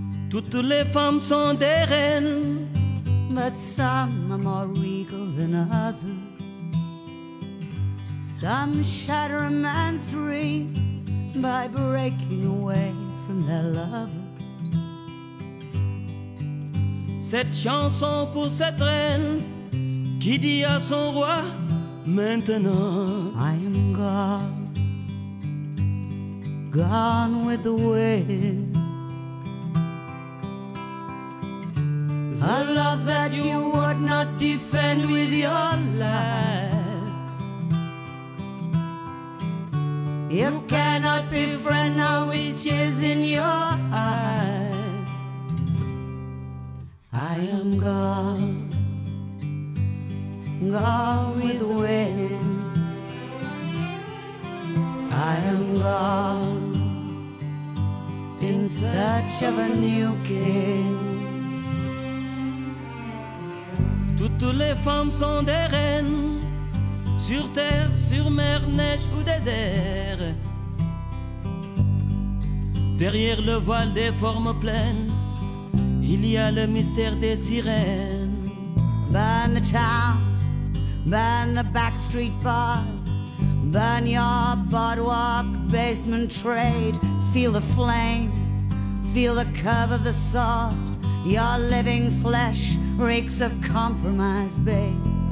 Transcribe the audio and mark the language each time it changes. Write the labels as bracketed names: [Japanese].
[French] Toutes les femmes sont des reines, [English] but some are more regal than others. Some shatter a man's dreams by breaking away from their lovers. [French] Cette chanson pour cette reine qui dit à son roi maintenant, [English] I am gone, gone with the wind. A love that you would not defend with your life. You cannot befriend a witch is in your eye. I am gone, gone with the wind. I am gone in search of a new king. [French] Toutes les femmes sont des reines, sur terre, sur mer, neige ou désert. Derrière le voile des formes pleines, il y a le mystère des sirènes. [English] Burn the town, burn the back street bars, burn your boardwalk, basement trade. Feel the flame, feel the curve of the sword. Your living flesh reeks of compromise, babe.